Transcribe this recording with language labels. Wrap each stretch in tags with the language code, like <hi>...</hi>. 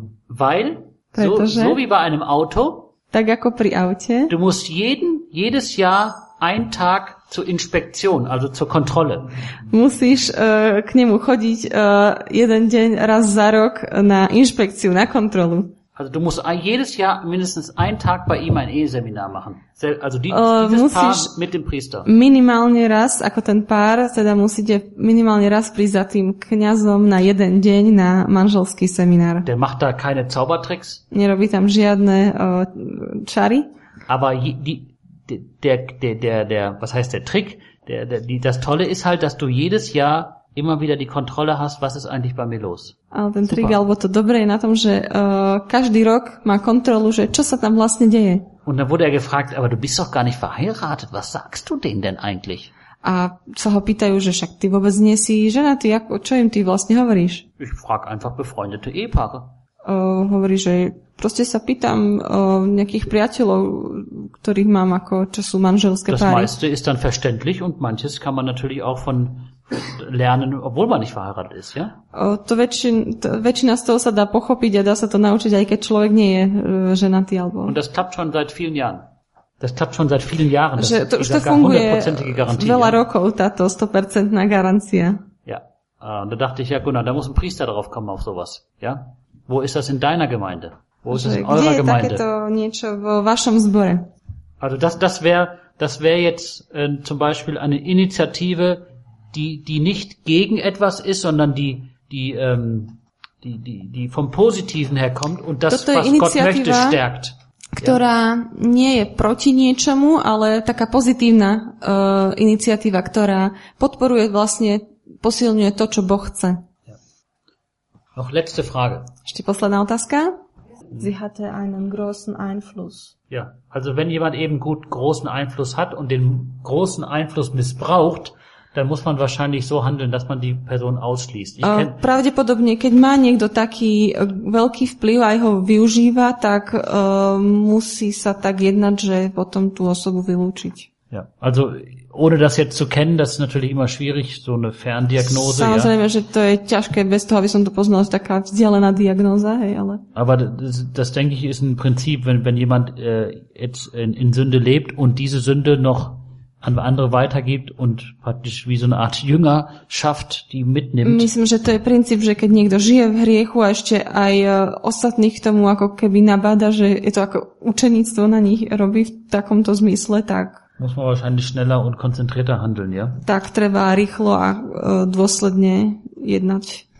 <de>Weil, pretože, so wie bei einem Auto,</de> <sk>tak ako pri aute,</sk> <de>du musst jedes Jahr ein Tag zur Inspektion, also zur Kontrolle.</de> <sk>Musíš k nemu chodiť jeden deň raz za rok na inšpekciu, na kontrolu.</sk> <de>Also du musst jedes Jahr mindestens einen Tag bei ihm ein Eheseminar machen. Also dieses Paar mit dem Priester.</de> <sk>Minimálne raz, ako ten pár, teda musíte minimálne raz prísť za tým kňazom na jeden deň na manželský seminár.</sk> <de>Der macht da keine Zaubertricks.</de> <sk>Nerobí tam žiadne čary.</sk> <de>Aber das Tolle ist halt, dass du jedes Jahr immer wieder die Kontrolle hast, was ist eigentlich bei mir los.</de> <sk>Ale ten trik, alebo to dobré je na tom, že každý rok má kontrolu, že čo sa tam vlastne deje.</sk> <de>Und dann wurde er gefragt, aber du bist doch gar nicht verheiratet, was sagst du denen denn eigentlich?</de> <sk>A sa ho pýtajú, že však ty vôbec nie si ženatý, čo im ty vlastne hovoríš?</sk> <de>Ich frag einfach befreundete Ehepaare.</de> <sk>Hovorí, že proste sa pýtam nejakých priateľov, ktorých mám, ako čo sú manželské</sk> <de>das</de> <sk>páry.</sk> <de>Das meiste ist dann verständlich und manches kann man natürlich auch von lernen, obwohl man nicht verheiratet ist, ja?</de> <sk>Väčšina z toho sa dá pochopiť a dá sa to naučiť, aj keď človek nie je ženatý alebo.</sk> <de>Und das klappt schon seit vielen Jahren. Das klappt schon seit vielen Jahren.</de> <sk>Že to už to funguje veľa rokov, táto 100% garancia.</sk> <de>Ja. Da dachte ich, ja Gunnar, da muss ein Priester drauf kommen auf sowas, ja? Wo ist das in deiner Gemeinde? Wo ist das in eurer Gemeinde?</de> <sk>Kde je takéto niečo vo vašom zbore?</sk> <de>Also das wäre jetzt zum Beispiel eine Initiative, die nicht gegen etwas ist, sondern die vom Positiven herkommt und das,</de> <sk>toto</sk> <de>was Gott möchte, stärkt.</de> <sk>Ktorá ja. Nie je proti niečomu, ale taká pozitívna iniciatíva, ktorá podporuje vlastne, posilňuje to, čo Boh chce.</sk> <de>Ja. Noch letzte Frage.</de> <sk>Ešte posledná otázka.</sk> <de>Sie hatte einen großen Einfluss. Ja, also wenn jemand eben gut großen Einfluss hat und den großen Einfluss missbraucht, dann muss man wahrscheinlich so handeln, dass man die Person ausschließt.</de> <sk>Pravdepodobne, keď má niekto taký veľký vplyv a ho využíva, tak musí sa tak jednať, že potom tú osobu vylúčiť.</sk> <de>Ja, also ohne das jetzt zu kennen, das ist natürlich immer schwierig, so eine Ferndiagnose.</de> <sk>Samozrejme, Že to je ťažké, bez toho, aby som to poznal, taká vzdialená diagnóza, hej, ale.</sk> <de>Aber das denke ich, ist ein Prinzip, wenn jemand jetzt in Sünde lebt und diese Sünde noch an andere weitergibt und praktisch wie so eine Art Jünger schafft, die mitnimmt.</de> <sk>Myslím, že to je princíp, že keď niekto žije v hriechu a ešte aj ostatných tomu ako keby nabáda, že je to ako učeníctvo na nich robí v takomto zmysle, tak</sk> <de>muss man wahrscheinlich schneller und konzentrierter handeln, ja?</de> <sk>Tak treba rýchlo a dôsledne jednať.</sk>